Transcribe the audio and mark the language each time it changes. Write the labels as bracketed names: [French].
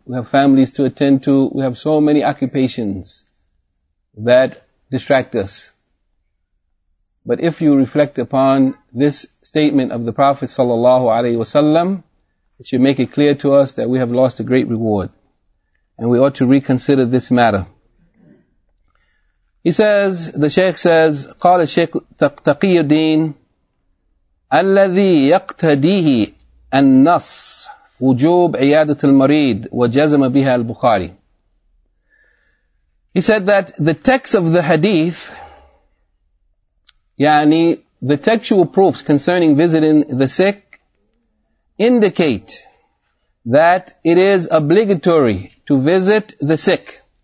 [English] We have families to attend to. We have so many occupations that distract us. But if you reflect upon this statement of the Prophet sallallahu alaihi wasallam, it should make it clear to us that we have lost a great reward. And we ought to reconsider this matter. He says, the Shaykh says, [Arabic] قال الشيخ تقي الدين الذي يقتديه النص وجوب عيادة المريض وجزم بها البخاري. [English] He said that the text of the hadith, يعني the textual proofs concerning visiting the sick, indicate that it is obligatory to visit the sick.